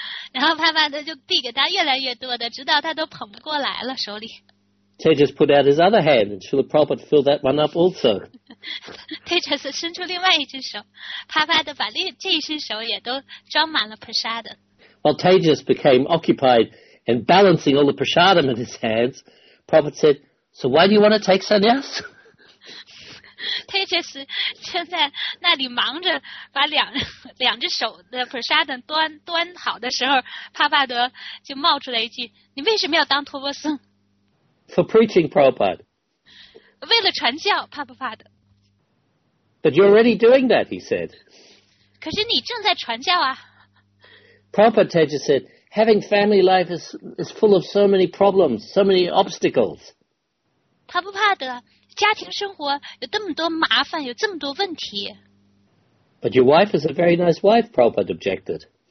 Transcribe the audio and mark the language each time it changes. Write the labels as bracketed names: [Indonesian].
[Chinese] 然后帕帕德就递给他越来越多的，直到他都捧不过来了手里。 [English] Tejas put out his other hand, and Srila Prabhupada filled that one up also. [Chinese] Tejas 伸出另外一只手，帕帕德把这一只手也都装满了prasadam. [English] While Tejas became occupied in balancing all the prasadam in his hands, Prabhupada said, "So why do you want to take sannyas?" [Chinese] Tejas 正在那里忙着把两只手的prasadam端好的时候，帕帕德就冒出来一句：“你为什么要当托钵僧？” [English] For preaching, Prabhupada. [Chinese] 为了传教，帕帕德。 [English] But you're already doing that, he said. [Chinese] 可是你正在传教啊。 [English] Prabhupada Tejas said, having family life is full of so many problems, so many obstacles. [Chinese] 帕帕德，家庭生活有这么多麻烦，有这么多问题。 [English] But your wife is a very nice wife, Prabhupada objected.